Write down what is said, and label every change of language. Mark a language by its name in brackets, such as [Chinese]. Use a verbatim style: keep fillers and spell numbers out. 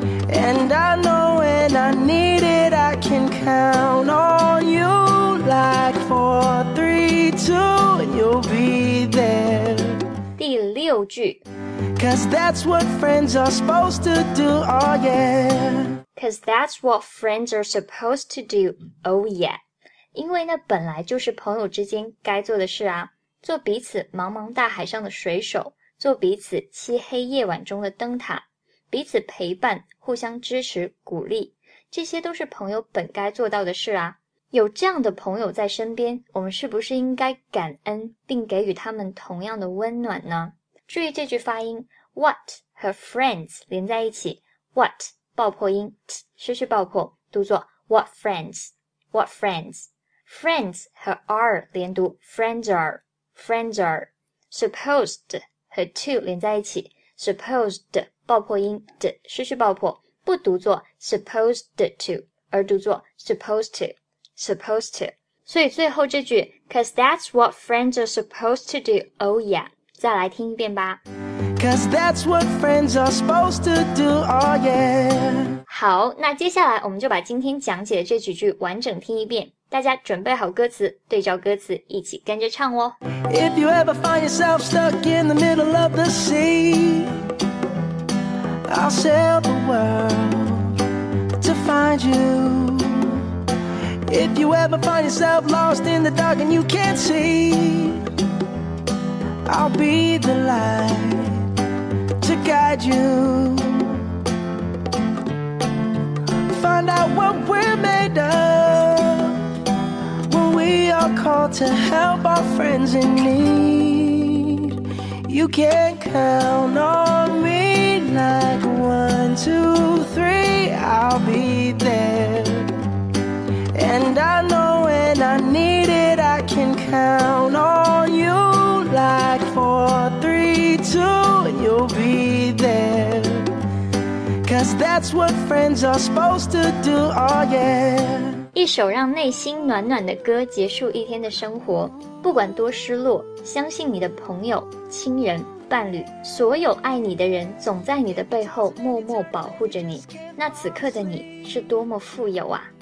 [English] And I know when I need it I can count on you like four, three,You'll be there. [Chinese] 第六句 [English] Cause that's what friends are supposed to do, oh yeah. Cause that's what friends are supposed to do, oh yeah. [Chinese] 因为那本来就是朋友之间该做的事啊，做彼此茫茫大海上的水手，做彼此漆黑夜晚中的灯塔，彼此陪伴，互相支持，鼓励，这些都是朋友本该做到的事啊。有这样的朋友在身边，我们是不是应该感恩并给予他们同样的温暖呢？注意这句发音 what 和 friends 连在一起 what 爆破音 t 失去爆破读作 [English] what friends what friends [Chinese] friends 和 are 连读 friends are friends are supposed 和 to 连在一起 supposed 爆破音 d 失去爆破不读作 supposed to 而读作 supposed to supposed to 所以最后这句 [English] Cause that's what friends are supposed to do Oh yeah [Chinese] 再来听一遍吧 [English] Cause that's what friends are supposed to do Oh yeah [Chinese] 好那接下来我们就把今天讲解的这几句完整听一遍大家准备好歌词对照歌词一起跟着唱哦 [English] If you ever find yourself stuck in the middle of the sea I'll sail the world to find youIf you ever find yourself lost in the dark and you can't see, I'll be the light to guide you. Find out what we're made of when we are called to help our friends in need. You can count on me like one, two, three, I'll be there. And I know when I need it, I can count on you like four, three, two, and you'll be there. Cause that's what friends are supposed to do, oh yeah. [Chinese] 一首让内心暖暖的歌结束一天的生活，不管多失落，相信你的朋友、亲人、伴侣，所有爱你的人，总在你的背后默默保护着你。那此刻的你是多么富有啊！